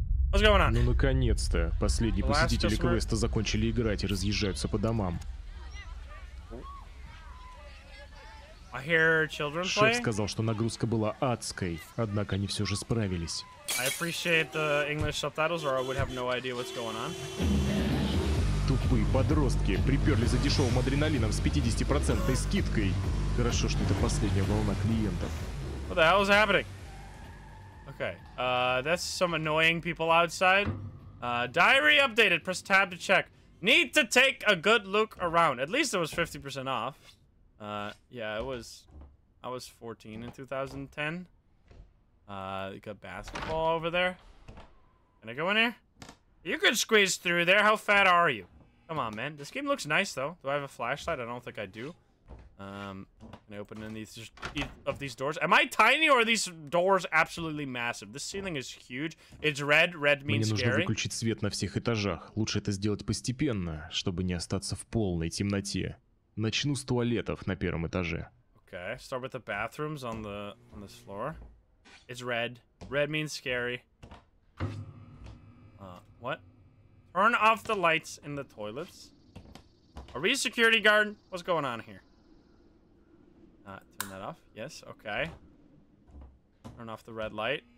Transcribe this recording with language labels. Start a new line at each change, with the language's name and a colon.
English: What's going on?
Russian: Ну наконец-то. Последние посетители квеста закончили играть и разъезжаются по домам.
English: I hear children play.
Russian: Шеф сказал, что нагрузка была адской, однако они все же справились.
English: I appreciate the English subtitles, or I would have no idea what's going on.
Russian: Тупые подростки приперли за дешевым адреналином с 50% скидкой. Хорошо, что это последняя волна клиентов.
English: What the hell is happening? Okay, that's some annoying people outside. Diary updated. Press tab to check. Need to take a good look around. At least it was 50% off. Yeah, it was. I was 14 in 2010. You got basketball over there. Can I go in here? You could squeeze through there. How fat are you? Come on, man. This game looks nice, though. Do I have a flashlight? I don't think I do. Can I open any of these doors? Am I tiny or are these doors absolutely massive? This ceiling is huge. It's red. Red means scary.
Russian: Мне нужно выключить свет на всех этажах. Лучше это сделать постепенно, чтобы не остаться в полной темноте. Начну с туалетов на первом этаже.
English: Okay, start with the bathrooms on this floor. It's red. Red means scary. What? Turn off the lights in the toilets. Are we a security guard? What's going on here? Turn that off. Yes, okay. Turn off the red light.